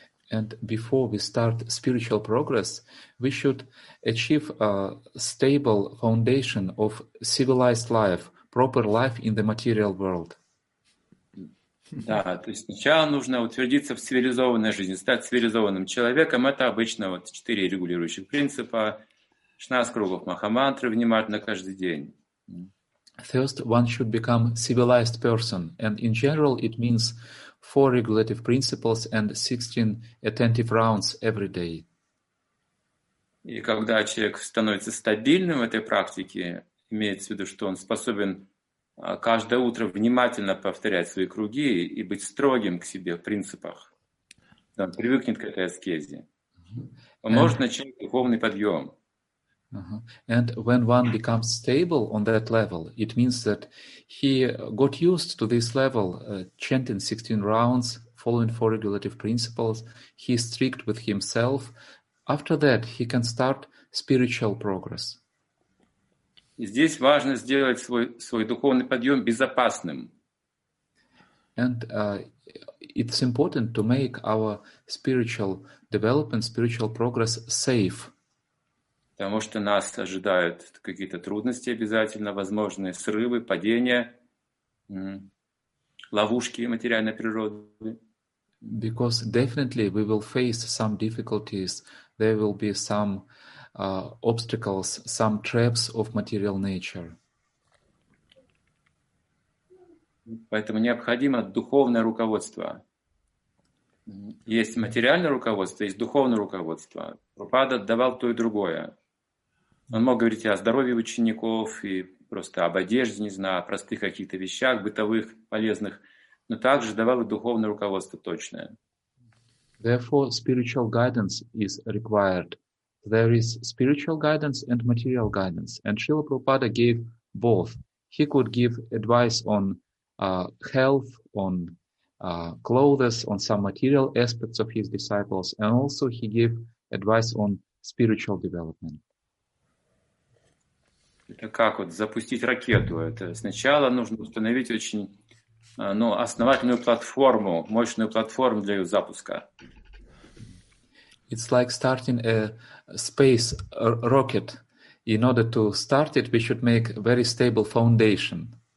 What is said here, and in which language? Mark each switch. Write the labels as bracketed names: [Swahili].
[English] And before we start spiritual progress, we should achieve a stable foundation of civilized life, proper life in the material world. [Russian] Да, то есть сначала нужно утвердиться в цивилизованной жизни, стать цивилизованным человеком. Это обычно вот четыре регулирующих принципа, 16 кругов махамантры внимательно каждый день. [English] First, one should become a civilized person, and in general, it means 4 regulative principles and 16 attentive rounds every day. [Russian] И когда человек становится стабильным в этой практике, имеется в виду, что он способен каждое утро внимательно повторять свои круги и быть строгим к себе в принципах, он привыкнет к этой аскезе. Может начать духовный подъем. [English] And when one becomes stable on that level, it means that he got used to this level, chanting 16 rounds, following 4 regulative principles, he is strict with himself. After that, he can start spiritual progress. [Russian] Здесь важно сделать свой духовный подъем безопасным. [English] And it's important to make our spiritual development, spiritual progress safe. [Russian] Потому что нас ожидают какие-то трудности обязательно, возможные срывы, падения, ловушки материальной природы. [English] Because definitely we will face some difficulties. There will be some obstacles, some traps of material nature. [Russian] Поэтому необходимо духовное руководство. Есть материальное руководство, есть духовное руководство. Прабхупада давал то и другое. Он мог говорить о здоровье учеников и просто об одежде, не знаю, о простых каких-то вещах, бытовых, полезных, но также давал и духовное руководство точное. [English] Therefore, spiritual guidance is required. There is spiritual guidance and material guidance. And Srila Prabhupada gave both. He could give advice on health, on clothes, on some material aspects of his disciples. And also he gave advice on spiritual development. [Russian] Это как вот запустить ракету. Это сначала нужно установить очень основательную платформу, мощную платформу для ее запуска. [English] It's like starting a space rocket. In order to start it, we should make a very stable foundation.